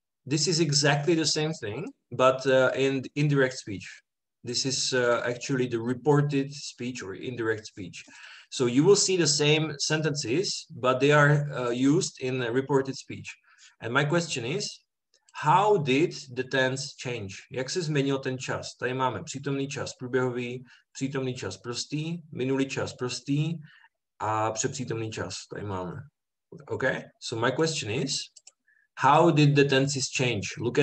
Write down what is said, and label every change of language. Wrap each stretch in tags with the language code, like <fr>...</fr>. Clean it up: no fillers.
<en>This is exactly the same thing, but in indirect speech. This is actually the reported speech or indirect speech. So you will see the same sentences, but they are used in a reported speech. And my question is, how did the tense change?</en> <cs>Jak se změnil ten čas? Tady máme přítomný čas průběhový, přítomný čas prostý, minulý čas prostý a přepřítomný čas. Tady máme. Okay?</cs> <en>So my question is, how did the tenses change?</en>